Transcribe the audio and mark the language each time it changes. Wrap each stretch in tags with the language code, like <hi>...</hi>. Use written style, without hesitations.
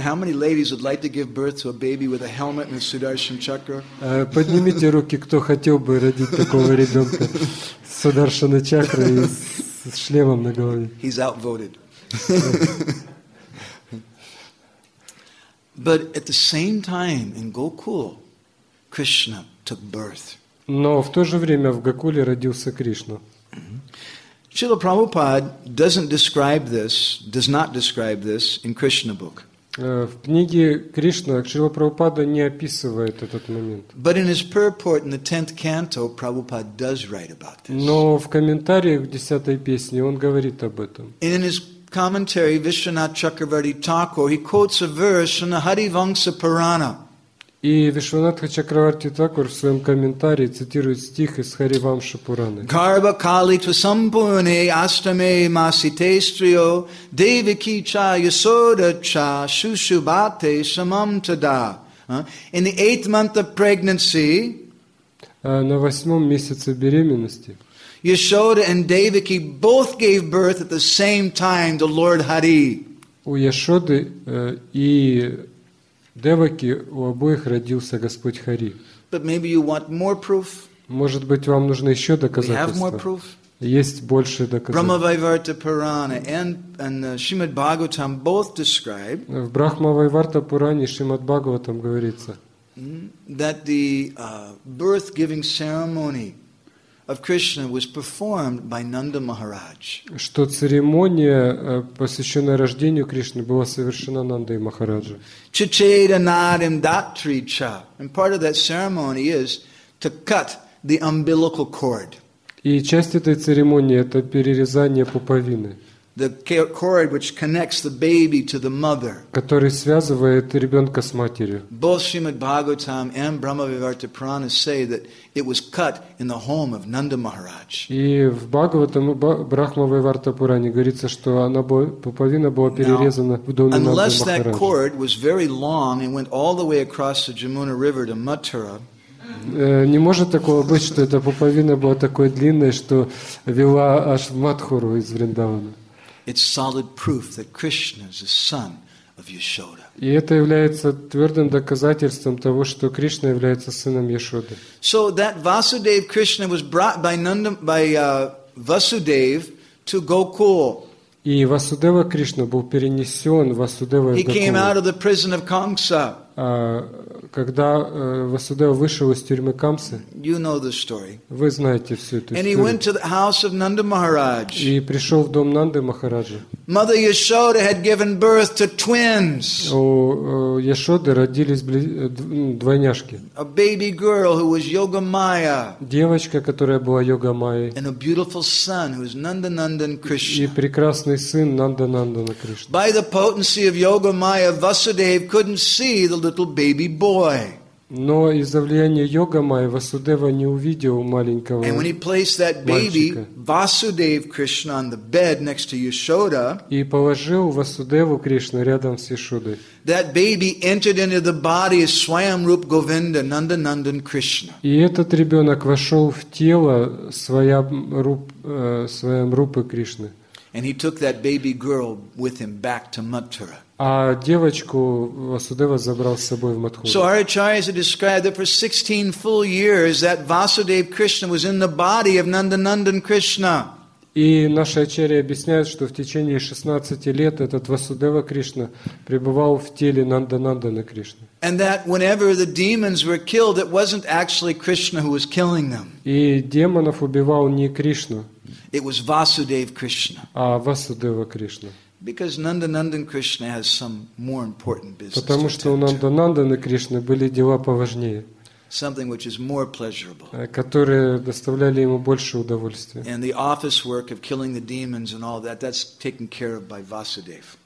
<en>How many ladies would like to give birth to a baby with a helmet and a Sudarshan chakra?</en> <ru>Поднимите руки, кто хотел бы родить такого ребенка с Сударшана чакра и с шлемом на голове.</ru> <en>He's outvoted. But at the same time, in Gokul, Krishna took birth.</en> <ru>Но в то же время в Гокуле родился Кришна.</ru> <en>Srila Prabhupada does not describe this in Krishna book.</en> <ru>В книге Кришна Шрила Прабхупада не описывает этот момент.</ru> <en>But in his purport in the 10th canto, Prabhupada does write about this.</en> <ru>Но в комментариях к 10-й песне он говорит об этом.</ru> <en>And in his commentary, Vishwanath Chakravarti Thakur, he quotes a verse from the Harivamsa Purana.</en> <ru>И Вишванатха Чакраварти Такур в своем комментарии цитирует стих из Харивамша Пураны.</ru> <sa>Гарба кали твасампуне астаме маситестрио девики ча ясода ча шушубате самам тада.</sa> <en>In the eighth month of pregnancy,</en> <ru>на восьмом месяце беременности,</ru> <en>Ясода and Девики both gave birth at the same time to Lord Hari.</en> <ru>У Ясоды и Деваки, у обоих родился Господь Хари.</ru> <en>But maybe you want more proof.</en> <ru>Может быть, вам нужно еще доказательства?</ru> <en>We have more proof.</en> <ru>Есть больше доказательств.</ru> <en>Брахмавайварта Пурана and Шримад Бхагаватам both describe.</en> <ru>В Брахмавайварта Пуране и Шримад Бхагаватам говорится,</ru> <en>that the birth-giving ceremony of Krishna was performed by Nanda Maharaj.</en> <ru>Что церемония, посвященная рождению Кришны, была совершена Нандой Махараджа.</ru> <sa>Чичеда надим датри ча.</sa> <en>And part of that ceremony is to cut the umbilical cord.</en> <ru>И часть этой церемонии — это перерезание пуповины.</ru> <en>the cord which connects the baby to the mother.</en> <ru>Который связывает ребенка с матерью.</ru> <en>Both Srimad Bhagavatam and Brahma Vivarta Purana say that it was cut in the home of Nanda Maharaj.</en> <ru>И в Бхагаватам и Брахма Виварта Пуране говорится, что она пуповина была перерезана в доме Нанды</ru> <en>Unless that cord was very long and went all the way across the Jamuna River to Mathura.</en> <ru>Не может такого быть, что эта пуповина была такой длинной, что вела аж в Матхуру из Вриндавана.</ru> <en>It's solid proof that Krishna is the son of Yashoda.</en> <ru>И это является твердым доказательством того, что Кришна является сыном Яшоды.</ru> <en>So that Vasudev Krishna was brought by Nanda by Vasudev to Gokul.</en> <ru>И Васудева Кришна был перенесен Васудева.</ru> <en>He came out of the prison of Kamsa.</en> <ru>Когда Васудева вышел из тюрьмы Камсы,</ru> <en>you know the story.</en> <ru>Вы знаете всю эту историю.</ru> <en>And he went to the house of Nanda Maharaj.</en> <ru>И пришел в дом Нанды Махараджи.</ru> <en>Mother Yashoda had given birth to twins.</en> <ru>У Яшоды родились двойняшки.</ru> <en>A baby girl who was Yoga Maya.</en> <ru>Девочка, которая была Йога Майей.</ru> <en>And a beautiful son who was Nanda Nandan Krishna.</en> <ru>И прекрасный сын Нанда Нандана Кришна.</ru> <en>By the potency of Yoga Maya, Vasudev couldn't see the little baby boy.</en> <ru>Но из-за влияния Йога Майи Васудева не увидел маленького</ru> <en>And when he placed that baby,</en> <ru>мальчика.</ru> <en>Vasudev Krishna, on the bed next to Yashoda,</en> <ru>и положил Васудеву Кришну рядом с Яшодой.</ru> <en>That baby entered into the body of Swayamrup Govinda, Nanda Nandan Krishna.</en> <ru>И этот ребенок вошел в тело Свайамрупы Кришны.</ru> <en>And he took that baby girl with him back to Mathura.</en> <ru>А девочку Васудева забрал с собой в Матхуру.</ru> <en>So our acharyas have described that for 16 full years that Vasudev Krishna was in the body of Nanda Nandan Krishna.</en> <ru>И наши ачарьи объясняют, что в течение 16 лет этот Васудева Кришна пребывал в теле Нанда Нандана Кришны.</ru> <en>And that whenever the demons were killed, it wasn't actually Krishna who was killing them.</en> <ru>И демонов убивал не Кришна.</ru> <en>It was Vasudev Krishna.</en> <ru>А Васудева Кришна.</ru> <en>Because Nanda Nandan Krishna has some more important business.</en> <ru>Потому что у Нанда Нанданы Кришны были дела поважнее.</ru> <en>Something which is more pleasurable.</en> <ru>Которые доставляли ему больше удовольствия.</ru> <en>And the office work of killing the demons and all that—that's taken care of by Vasudev.</en>